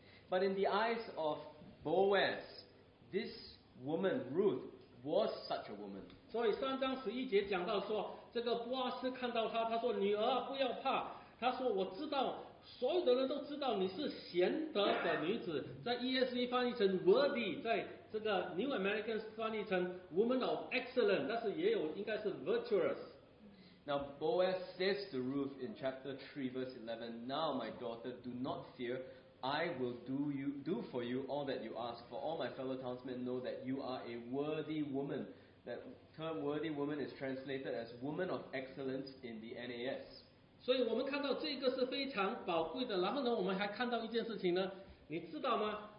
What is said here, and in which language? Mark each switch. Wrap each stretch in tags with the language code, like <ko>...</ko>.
<en>But in the eyes of Boaz, this woman, Ruth, was such a woman.</en> <zh>所以三章十一节讲到说，这个波阿斯看到她，他说女儿不要怕，他说我知道。所有的人都知道你是贤德的女子，在 ESV 翻译成 worthy， 在这个 New American 翻译成 Woman of Excellent， 但是也有应该是 Virtuous。</zh> <en>Now Boaz says to Ruth in chapter 3 verse 11, Now my daughter, do not fear, I will do for you all that you ask, for all my fellow townsmen know that you are a worthy woman. That term worthy woman is translated as woman of excellence in the NAS.</en> <zh>所以我们看到这个是非常宝贵的，然后呢我们还看到一件事情呢，你知道吗？</zh>